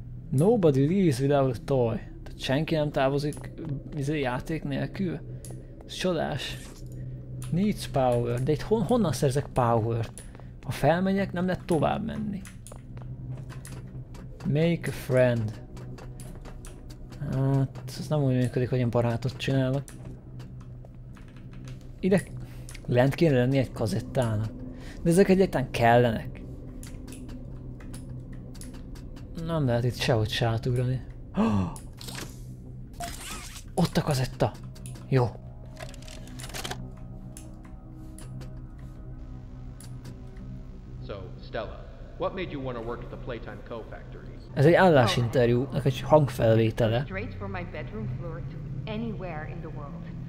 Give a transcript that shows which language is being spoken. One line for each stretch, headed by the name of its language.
English: Nobody leaves without a toy.
Hungarian: Senki nem távozik játék nélkül? Csodás.
English: Needs power.
Hungarian: De itt honnan szerzek power-t? Ha felmegyek, nem lehet tovább menni.
English: Make a friend.
Hungarian: Hát, ez nem úgy működik, hogy én barátot csinálok. Ide lent kéne lenni egy kazettának. De ezek egyáltalán kellenek. Nem lehet itt sehogy se átugrani. Ott a kazetta. Jó.
English: So, Stella, what made you want to work at the Playtime Co factory?
Hungarian: Ez egy állásinterjúnak egy hangfelvétele.
English: Straight from my bedroom floor to anywhere in the world.